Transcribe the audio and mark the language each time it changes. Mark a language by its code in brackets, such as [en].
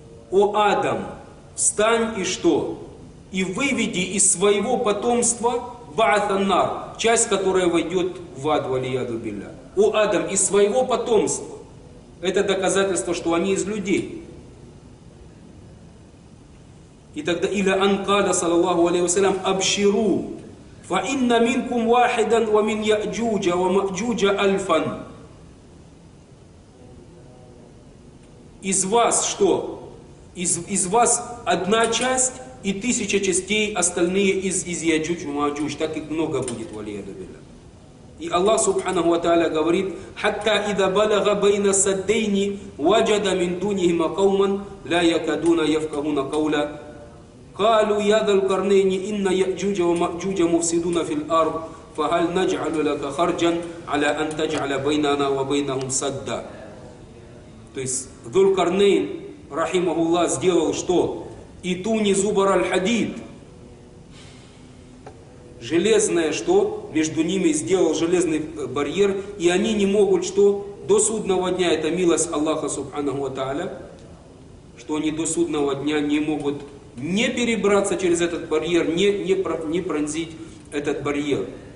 [ru] «О Адам, встань и что? И выведи из своего потомства ба'аса нар, часть, которая войдет в ад, валияду билля». «О Адам, из своего потомства». Это доказательство, что они из людей. [ar] И тогда «Иля анкада, саллаллаху алейхи вассалям, абширу». فإن منكم واحدا ومن يأجوج ومأجوج ألفا. [ru] Из вас что? Из вас одна часть и тысяча частей, остальные из Яджуч и Маджуч. Так их много будет, валияду билля. [ar] И Аллах Субханаху ва тааля говорит: хатта иза балага байна саддейни ваджада мин дунихима кауман ла якадуна яфкахуна каула. قالوا يا ذا القرنين إن يأجوج ومأجوج مفسدون في الأرض فهل نجعل لك خرجا على أن تجعل بيننا وبينهم سدا. [ru] То есть ذو القرنين رحمه الله сделал что? [ar] И туни зубар аль-хадид. [ru] Железное что? Между ними сделал железный барьер, и они не могут что? До судного дня, это милость Аллаха субханаху ва тааля, что они до судного дня не могут не перебраться через этот барьер, не пронзить этот барьер.